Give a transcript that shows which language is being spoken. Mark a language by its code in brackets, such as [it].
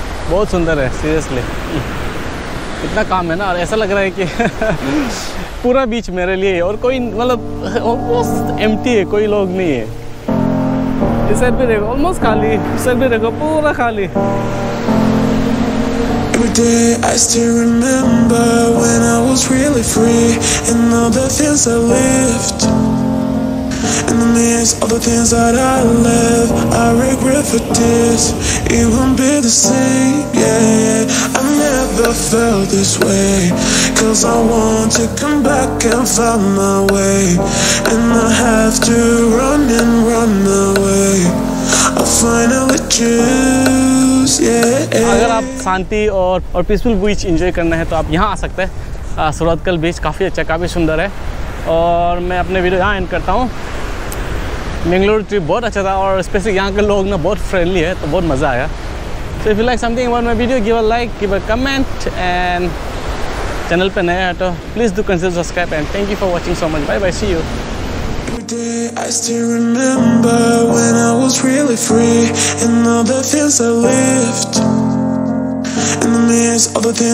[hi] बहुत सुंदर है सीरियसली, इतना काम है ना और ऐसा लग रहा है कि पूरा बीच मेरे लिए है और कोई मतलब ऑलमोस्ट एम्प्टी है, कोई लोग नहीं है। इस साइड भी देखो ऑलमोस्ट खाली, इस साइड भी देखो पूरा खाली। [en] Day, I still remember when I was really free and all the things I lived and the miss all the things that I left. I regret for this, it won't be the same. Yeah, I never felt this way, cause I want to come back and find my way, and I have to run and run away. I'll finally choose. [hi] अगर आप शांति और peaceful बीच enjoy करना है तो आप यहाँ आ सकते हैं। सुरतकल बीच काफ़ी अच्छा, काफ़ी सुंदर है, और मैं अपने वीडियो यहाँ एंड करता हूँ। बेंगलुरु ट्रिप बहुत अच्छा था, और स्पेशली यहाँ के लोग ना बहुत फ्रेंडली है, तो बहुत मज़ा आया। [en] so if you like something about my video, give a like, give a comment, and [hi] channel पर नया है तो [en] Please do consider subscribe, and thank you for watching so much. Bye bye, see you. I still remember when I was really free and all the things I lived and the miss, all the things